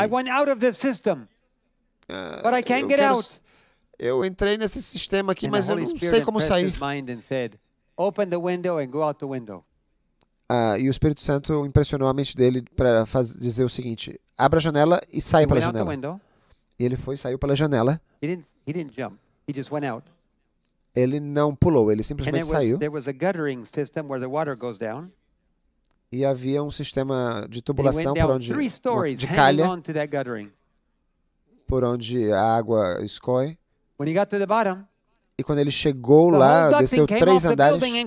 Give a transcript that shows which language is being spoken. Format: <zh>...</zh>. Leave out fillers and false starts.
<en>I went out of the system, but I can't get out.</en> <pt>Eu entrei nesse sistema aqui, mas eu não sei como sair.</pt> <en>Open the window and go out the window.</en> <pt>E o Espírito Santo impressionou a mente dele para dizer o seguinte: abra a janela e saia pela janela. E ele foi e saiu pela janela.</pt> <en>He didn't jump. He just went out.</en> <pt>Ele não pulou, ele simplesmente saiu.</pt> <en>There was a guttering system where the water goes down.</en> <pt>E havia um sistema de tubulação por onde de calha, por onde a água escoe.</pt> <en>When he got to the bottom,</en> <pt>e quando ele chegou lá, desceu três andares.</pt>